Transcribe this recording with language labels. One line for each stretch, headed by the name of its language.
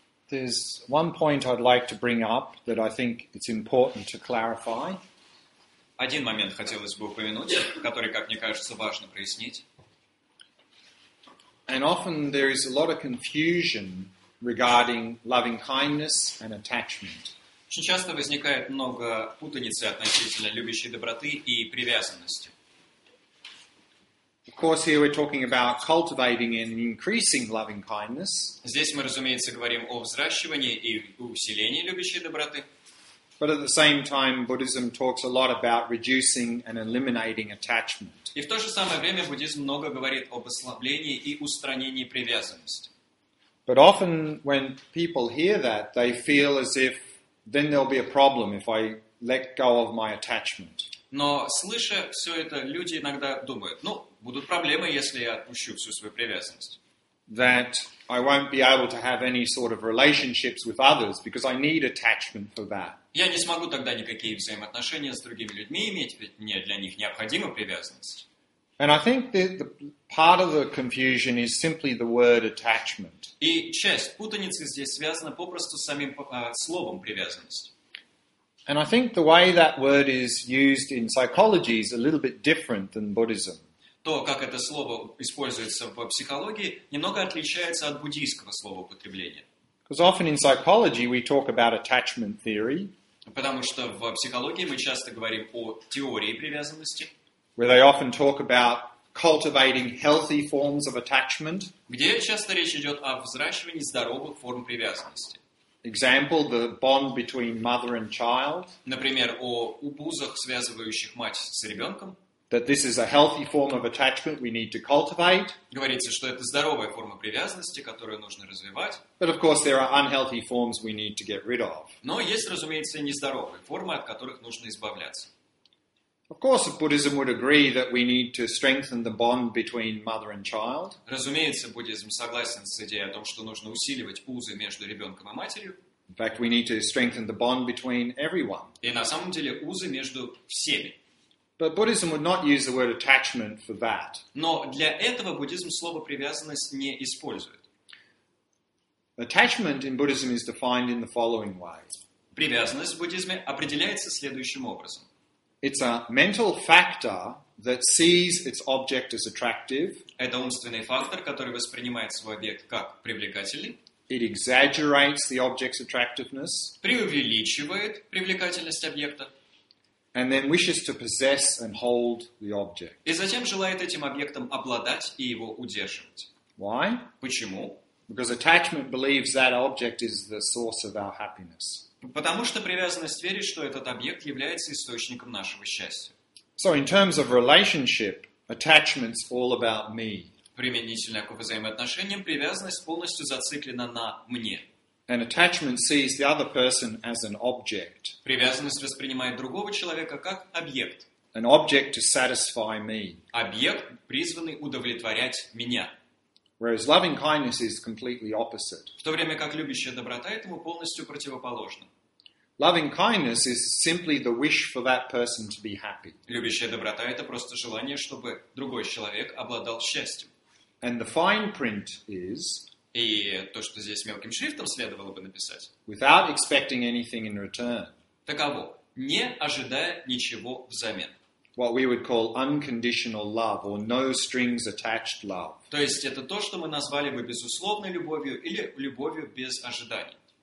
English: There's one point I'd like to bring up that I think it's important to clarify.
Russian: Один момент хотелось бы упомянуть, который, как мне кажется, важно прояснить.
English: And often there is a lot of confusion regarding loving kindness and attachment.
Russian: Очень часто возникает много путаницы относительно любящей доброты и привязанности.
English: Of course, here we're talking about cultivating and increasing loving kindness.
Russian: Здесь мы, разумеется, говорим о взращивании и усилении любящей доброты.
English: But at the same time, Buddhism talks a lot about reducing and eliminating attachment.
Russian: И в то же самое время буддизм много говорит об ослаблении и устранении привязанности.
English: But often when people hear that, they feel as if then there'll be a problem if I let go of my attachment.
Russian: Но слыша все это, люди иногда думают: ну, будут проблемы, если я отпущу всю свою привязанность.
English: That I won't be able to have any sort of relationships with others because I need attachment for that.
Russian: Я не смогу тогда никакие взаимоотношения с другими людьми иметь, ведь мне для них необходима привязанность.
English: And I think the part of the confusion is simply the word attachment.
Russian: И часть путаницы здесь связана попросту с самим словом привязанность.
English: And I think the way that word is used in psychology is a little bit different than Buddhism.
Russian: То, как это слово используется в психологии, немного отличается от буддийского слова употребления.
English: Because often in psychology we talk about attachment theory.
Russian: Потому что в психологии мы часто говорим о теории привязанности.
English: where they often talk about cultivating healthy forms of attachment.
Russian: Где часто речь идет о взращивании здоровых форм привязанности.
English: Example, the bond between mother and child.
Russian: Например, о узах, связывающих мать с ребенком.
English: That this is a healthy form of attachment we need to cultivate.
Russian: Говорится, что это здоровая форма привязанности, которую нужно развивать.
English: But of course, there are unhealthy forms we need to get rid of.
Russian: Но есть, разумеется, нездоровые формы, от которых нужно избавляться.
English: Of course, Buddhism would agree that we need to strengthen the bond between mother and child.
Russian: Разумеется, буддизм согласен с идеей о том, что нужно усиливать узы между ребенком и матерью.
English: In fact, we need to strengthen the bond between everyone.
Russian: И на самом деле узы между всеми.
English: But Buddhism would not use the word attachment for that.
Russian: Но для этого буддизм слово привязанность не использует.
English: Attachment in Buddhism is defined in the following way.
Russian: Привязанность в буддизме определяется следующим образом.
English: It's a mental factor that sees its object as attractive.
Russian: Это умственный фактор, который воспринимает свой объект как привлекательный.
English: It exaggerates the object's attractiveness.
Russian: Преувеличивает привлекательность объекта.
English: And then wishes to possess and hold the object.
Russian: И затем желает этим объектом обладать и его удерживать.
English: Why?
Russian: Почему?
English: Because attachment believes that object is the source of our happiness.
Russian: Потому что привязанность верит, что этот объект является источником нашего счастья.
English: So in terms of relationship, attachment's all about me.
Russian: Применительно к взаимоотношениям, привязанность полностью зациклена на мне.
English: An attachment sees the other person as an object.
Russian: Привязанность воспринимает другого человека как объект.
English: An object to satisfy me.
Russian: Объект, призванный удовлетворять меня.
English: Whereas loving kindness is completely opposite.
Russian: В то время как любящая доброта этому полностью противоположна.
English: Loving kindness is simply the wish for that person to be happy.
Russian: Любящая доброта это просто желание, чтобы другой человек обладал счастьем.
English: And the fine print is.
Russian: И то, что здесь мелким шрифтом следовало бы написать.
English: Without expecting anything in return.
Russian: Таково, не ожидая ничего взамен.
English: What we would call unconditional love or no strings attached love.
Russian: То есть это то, что мы назвали бы безусловной любовью или любовью без ожиданий.